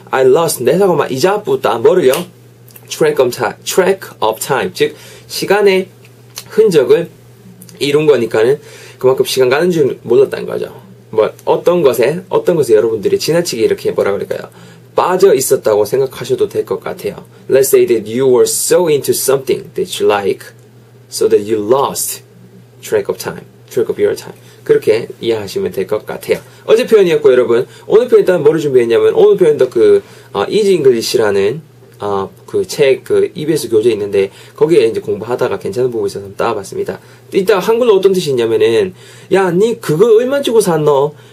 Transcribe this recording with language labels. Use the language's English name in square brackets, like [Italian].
[English] I lost [Korean] 내 사고만 잊어버렸다. 뭐를요? [English] Track of time. [Korean] 즉, 시간의 흔적을 이룬 거니까는 그만큼 시간 가는 줄 몰랐다는 거죠. 뭐 어떤 것에 여러분들이 지나치게 이렇게 뭐라 그럴까요? 빠져 있었다고 생각하셔도 될 것 같아요. [English] Let's say that you were so into something that you like so that you lost track of your time. [Korean] 그렇게 이해하시면 될 것 같아요. 어제 표현이었고 여러분, 오늘 표현 일단 뭐를 준비했냐면 오늘 표현도 그 Easy English라는 그 책, 그 EBS 교재 있는데 거기에 이제 공부하다가 괜찮은 부분이 있어서 따와봤습니다. 일단 한글로 어떤 뜻이 있냐면은 야, 니 그거 얼마 주고 샀노?